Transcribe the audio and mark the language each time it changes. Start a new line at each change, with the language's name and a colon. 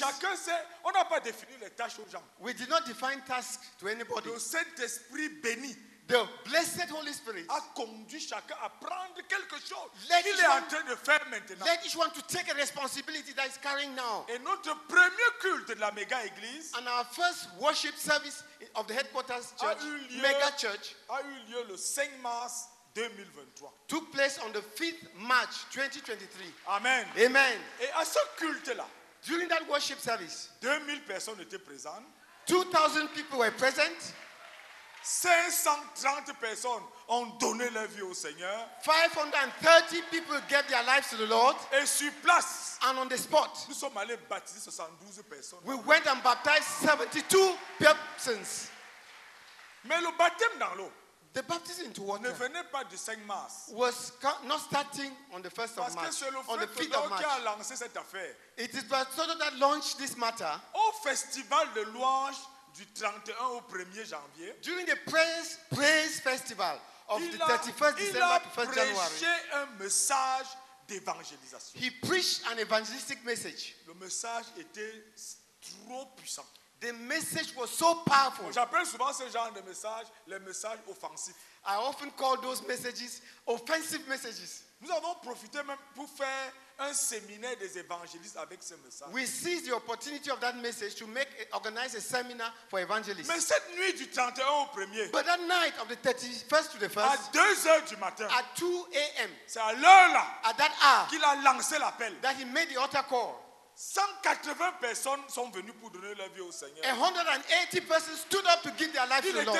French: Chacun sait, on n'a pas défini les tâches aux gens.
English: We did not define tasks to anybody.
French: Le Saint-Esprit béni,
English: the blessed Holy Spirit,
French: a conduit chacun à prendre quelque chose qu'il est en train de faire maintenant.
English: Let each one to take a responsibility that is carrying now.
French: Et notre premier culte de la méga église,
English: and our first worship service of the headquarters church,
French: a eu lieu le 5 2023.
English: Took place on the 5th March 2023. Amen. Amen.
French: Et à ce culte-là,
English: during that worship service,
French: 2000 personnes étaient présentes.
English: 2000 people were present.
French: 530 personnes ont donné leur vie au Seigneur.
English: 530 people gave their lives to the Lord.
French: Et sur place,
English: and on the spot,
French: nous sommes allés baptiser 72 personnes.
English: We went and baptized 72 persons.
French: Mais le baptême dans l'eau,
English: the baptism into water,
French: ne venait pas du 5 mars,
English: was not starting on the 1st of March, on the 5th of March.
French: Qui a lancé cette affaire.
English: It is the Todo that launched this matter.
French: Au festival de louange du 31 au 1er janvier,
English: during the praise festival of the 31st December to 1st January,
French: il a prêché un message d'évangélisation.
English: He preached an evangelistic message.
French: Le message était trop puissant.
English: The message was so powerful.
French: J'appelle souvent ce genre de message les messages offensifs.
English: I often call those messages offensive messages.
French: Nous avons profité même pour faire un séminaire des évangélistes avec ce message.
English: We seized the opportunity of that message to make organize a seminar for evangelists.
French: Mais cette nuit du 31 au 1er.
English: But that night of the 31st to the 1st.
French: À 2h du matin.
English: At 2 a.m.
French: C'est à l'heure là.
English: At that hour.
French: Qu'il a lancé l'appel.
English: That he made the altar call.
French: 180 personnes sont venues pour donner leur vie au Seigneur.
English: 180 persons stood up to give their life to the Lord.